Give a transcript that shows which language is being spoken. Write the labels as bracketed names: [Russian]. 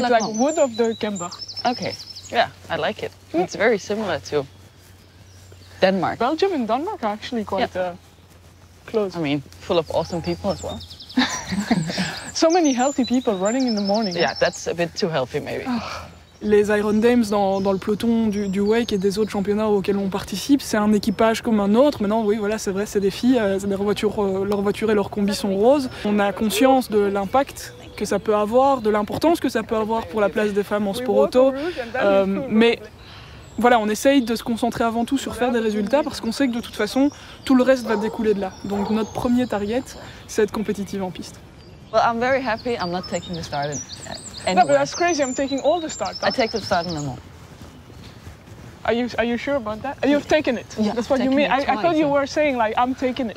[English] la Combe. It's like wood of the camber. Okay. Yeah, I like it. Mm. It's very similar to Denmark. Belgium and Denmark are actually quite close. I mean, full of awesome people as well. So many healthy people running in the morning. Yeah, that's a bit too healthy maybe. [French] Les Iron Dames dans le peloton du WEC et des autres championnats auxquels on participe, c'est un équipage comme un autre. Maintenant, oui, voilà, c'est vrai, c'est des filles. Leur voiture et leur combi sont roses. On a conscience de l'impact que ça peut avoir, de l'importance que ça peut avoir pour la place des femmes en sport auto. Mais voilà, on essaye de se concentrer avant tout sur faire des résultats parce qu'on sait que de toute façon, tout le reste va découler de là. Donc notre premier target, c'est être compétitive en piste. [English] Well, I'm very happy. I'm not taking the start anywhere. No, but that's crazy. I'm taking all the start. Huh? I take the start in Le Mans. Are you sure about that? You've taken it. Yeah, that's what you mean. Twice, I thought you were saying like I'm taking it.